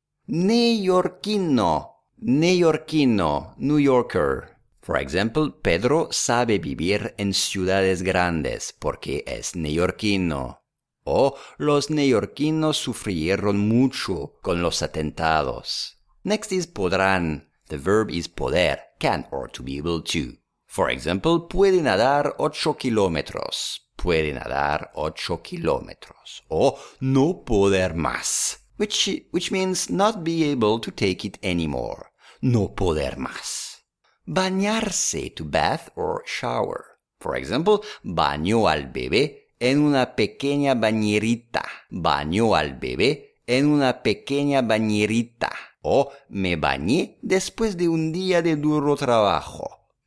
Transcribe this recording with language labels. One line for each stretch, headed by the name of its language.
Spanish: Neoyorquino, neoyorquino,
English: New Yorker. For example,
Spanish: Pedro sabe vivir en ciudades grandes porque es neoyorquino. O los neoyorquinos sufrieron mucho con los atentados.
English: Next is podrán. The verb is poder, can or to be able to. For example,
Spanish: puede nadar 8 kilómetros. Puede nadar 8 kilómetros. O no poder más.
English: Which means not be able to take it anymore.
Spanish: No poder más. Bañarse,
English: to bath or shower. For example,
Spanish: bañó al bebé en una pequeña bañerita. Bañó al bebé en una pequeña bañerita. O me bañé después de un día de duro trabajo.